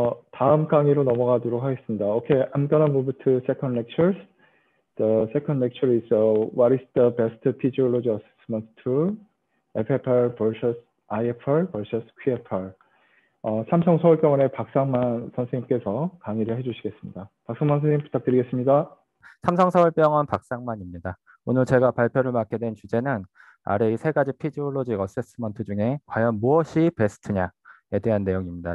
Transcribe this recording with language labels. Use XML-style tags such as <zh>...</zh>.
<ko>다음 강의로 넘어가도록 하겠습니다.</ko> <en>Okay, I'm gonna move to second lecture. The second lecture is what is the best physiology assessment tool? FFR versus IFR versus QFR.</en> <ko>삼성서울병원의 박상만 선생님께서 강의를 해주시겠습니다. 박상만 선생님 부탁드리겠습니다. 삼성서울병원 박상만입니다. 오늘 제가 발표를 맡게 된 주제는 아래 이 세 가지 피지올로직 어세스먼트 중에 과연 무엇이 베스트냐에 대한 내용입니다.</ko>